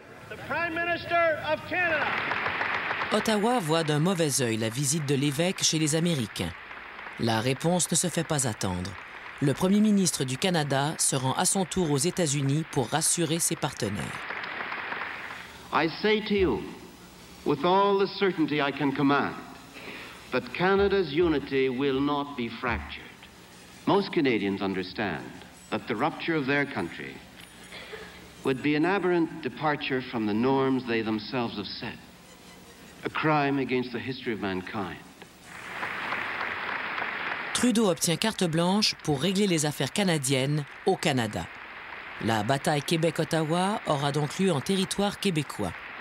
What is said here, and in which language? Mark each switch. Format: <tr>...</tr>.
<en>The Prime Minister of Canada.</en> <fr>Ottawa voit d'un mauvais œil la visite de Lévesque chez les Américains. La réponse ne se fait pas attendre. Le premier ministre du Canada se rend à son tour aux États-Unis pour rassurer ses partenaires.</fr> <en>I say to you, with all the certainty I can command, that Canada's unity will not be fractured. Most Canadians understand that the rupture of their country would be an aberrant departure from the norms they themselves have set, a crime against the history of mankind.</en> <fr>Trudeau obtient carte blanche pour régler les affaires canadiennes au Canada. La bataille Québec-Ottawa aura donc lieu en territoire québécois.</fr>